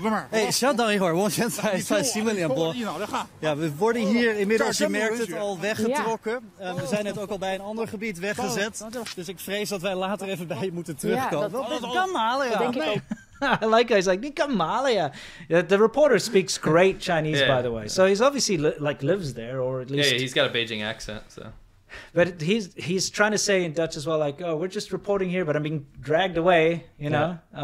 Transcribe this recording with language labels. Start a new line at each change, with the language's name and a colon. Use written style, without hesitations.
Chinese: Hey, 稍等一会儿，我现在在新闻联播。
English: Yeah, we've already here in
Dutch: Middel-Amerika het al weggetrokken. We zijn net ook al bij een ander gebied weggezet. Dus ik vrees dat wij later even bij je moeten terugkomen. Kamalia.
English: I like how he's like, Kamalia. The reporter speaks great Chinese, by the way. So he's obviously like lives there, or at least... Yeah, he's got a Beijing accent, so... But he's trying to say in Dutch as well, like, oh, we're just reporting here, but I'm being dragged away, you know.